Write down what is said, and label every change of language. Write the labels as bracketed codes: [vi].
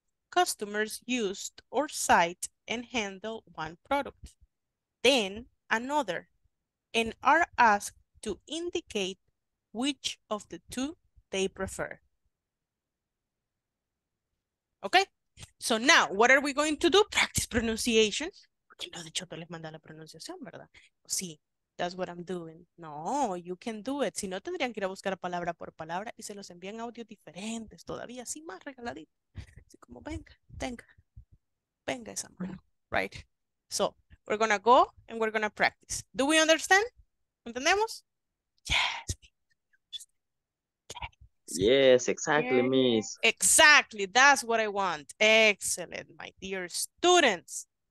[en] Customers used or cite and handle one product, then another, and are asked to indicate which of the two they prefer. Okay, so now what are we going to do? Practice pronunciation. [es] Porque no, de hecho, te les mandé la pronunciación, ¿verdad? Sí, [en] that's what I'm doing. No, you can do it. [es] Si no, tendrían que ir a buscar palabra por palabra y se los envían audios diferentes, todavía así más regaladito. Así como venga, tenga. Venga esa mano. [en] Right? So, we're going to go and we're going to practice. Do we understand? [es] ¿Entendemos? [en] Yes. Yes, exactly, yeah. Miss. Exactly, that's what I want. Excellent, my dear students.